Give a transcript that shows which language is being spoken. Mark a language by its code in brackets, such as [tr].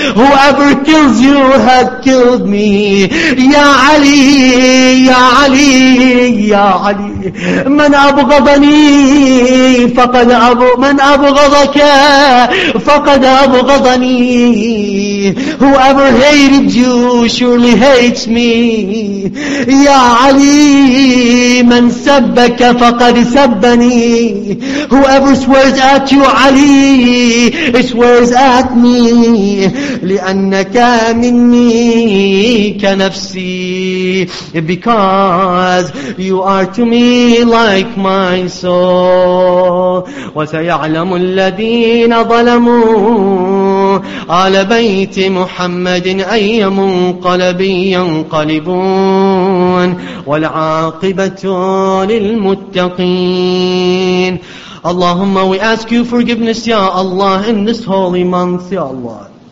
[en] Whoever kills you has killed me. Ya Ali, ya Ali, ya Ali. [ar] من أبغضني فقد من أبغضك فقد أبغضني. [en] Whoever hated you surely hates me. [ar] يا علي من سبك فقد سبني. [en] Whoever swears at you, Ali, swears at me. [ar] لأنك مني كنفسي. [en] Because you are to me like my soul. [ar] وسيعلم الذين ظلموا آل بيت محمد أي منقلب ينقلبون والعاقبة للمتقين. [en] Allahumma, we ask you forgiveness, Ya Allah, in this holy month, Ya Allah.